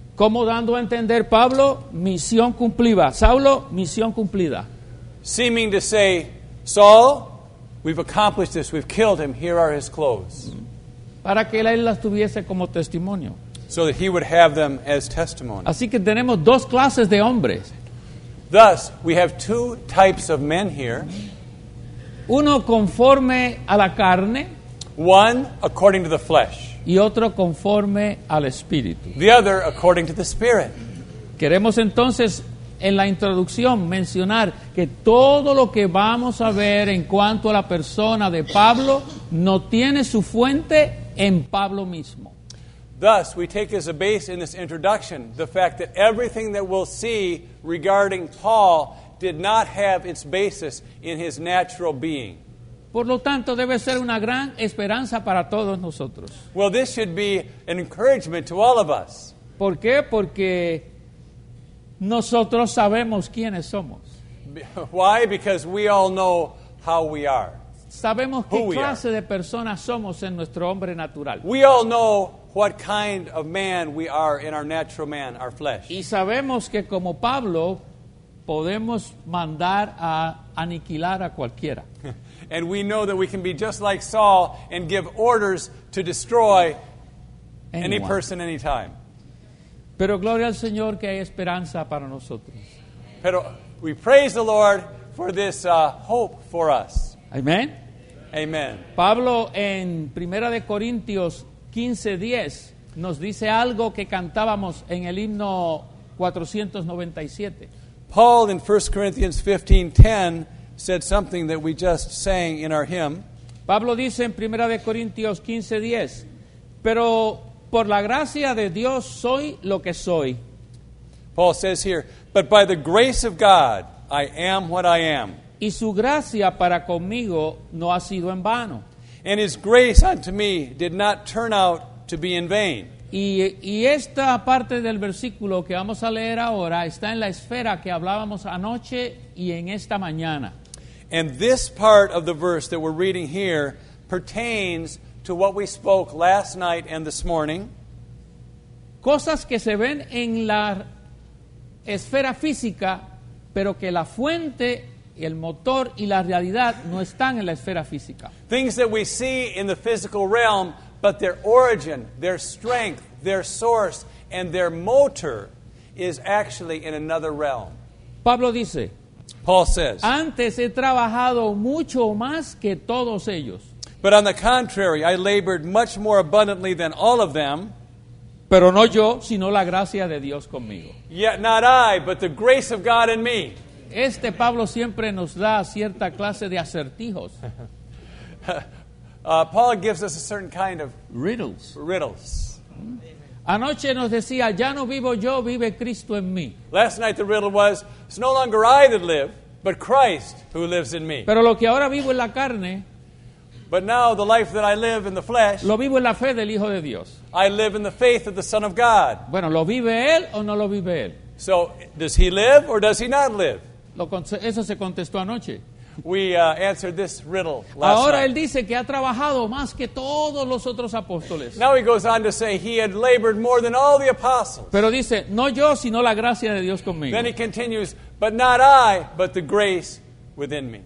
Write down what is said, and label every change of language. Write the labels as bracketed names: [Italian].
[Spanish] Como dando a entender Pablo, misión cumplida. Saulo, misión cumplida. [English] Seeming to say, Saul, we've accomplished this, we've killed him, here are his clothes. [Spanish] Para que él las tuviese como testimonio. [English] So that he would have them as testimony. [Spanish] Así que tenemos dos clases de hombres. [English] Thus, we have two types of men here. [Spanish] Uno conforme a la carne. [English] One according to the flesh. [Spanish] Y otro conforme al Espíritu. [English] The other according to the Spirit. [Spanish] Queremos entonces en la introducción mencionar que todo lo que vamos a ver en cuanto a la persona de Pablo no tiene su fuente en Pablo mismo. [English] Thus, we take as a base in this introduction the fact that everything that we'll see regarding Paul did not have its basis in his natural being. [Spanish] Por lo tanto, debe ser una gran esperanza para todos nosotros. [English] Well, this should be an encouragement to all of us. [Spanish] ¿Por qué? Porque nosotros sabemos quiénes somos. [English] Why? Because we all know how we are. [Spanish] Sabemos qué clase de personas somos en nuestro hombre natural. [English] We all know what kind of man we are in our natural man, our flesh. [Spanish] Y sabemos que como Pablo podemos mandar a aniquilar a cualquiera. [English] And we know that we can be just like Saul and give orders to destroy anyone. Any person anytime. [Spanish] Pero gloria al Señor que hay esperanza para nosotros. [English] Pero we praise the Lord for this hope for us. Amen. Amen. [Spanish] Pablo en Primera de Corintios 15:10 nos dice algo que cantábamos en el himno 497. [English] Paul in 1 Corinthians 15:10 said something that we just sang in our hymn. [Spanish] Pablo dice en Primera de Corintios 15:10, pero por la gracia de Dios soy lo que soy. [English] Paul says here, but by the grace of God I am what I am. [Spanish] Y su gracia para conmigo no ha sido en vano. [English] And his grace unto me did not turn out to be in vain. [Spanish] Y esta parte del versículo que vamos a leer ahora está en la esfera que hablábamos anoche y en esta mañana. [English] And this part of the verse that we're reading here pertains to what we spoke last night and this morning. [Spanish] Cosas que se ven en la esfera física, pero que la fuente, el motor y la realidad no están en la esfera física. [English] Things that we see in the physical realm, but their origin, their strength, their source, and their motor is actually in another realm. [Spanish] Pablo dice, [English] Paul says, [Spanish] antes he trabajado mucho más que todos ellos. [English] But on the contrary, I labored much more abundantly than all of them. [Spanish] Pero no yo, sino la gracia de Dios conmigo. [English] Yet not I, but the grace of God in me. [Spanish] Este Pablo siempre nos da cierta clase de acertijos. [English] Paul gives us a certain kind of riddles. Riddles. [Spanish] Anoche nos decía, ya no vivo yo, vive Cristo en mí. [English] Last night the riddle was, it's no longer I that live, but Christ who lives in me. [Spanish] Pero lo que ahora vivo en la carne, [English] but now the life that I live in the flesh, [Spanish] lo vivo en la fe del Hijo de Dios. [English] I live in the faith of the Son of God. [Spanish] Bueno, ¿lo vive él o no lo vive él? [English] So, does he live or does he not live? [Spanish] Eso se contestó anoche. [English] We answered this riddle last night. Ahora [Spanish] él dice que ha trabajado más que todos los otros apóstoles. [English] Now he goes on to say he had labored more than all the apostles. [Spanish] Pero dice, no yo, sino la gracia de Dios conmigo. [English] Then he continues, but not I, but the grace within me.